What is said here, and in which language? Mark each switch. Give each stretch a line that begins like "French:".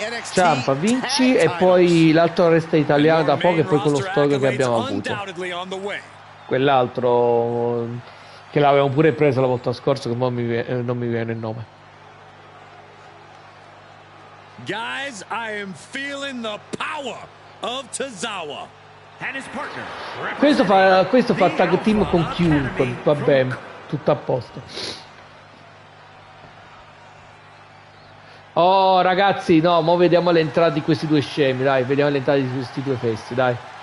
Italian: Ciampa, vinci e poi l'altro resta italiano da poco, e poi quello storico che abbiamo avuto. Quell'altro che l'avevamo pure preso la volta scorsa, che non mi viene il nome.
English: Guys, I am feeling the power of Tozawa.
Italian: Questo fa tag team con chiunque, vabbè, tutto a posto. Oh, ragazzi, no, mo vediamo l'entrata di questi due scemi, dai, vediamo l'entrata di questi due fessi, dai.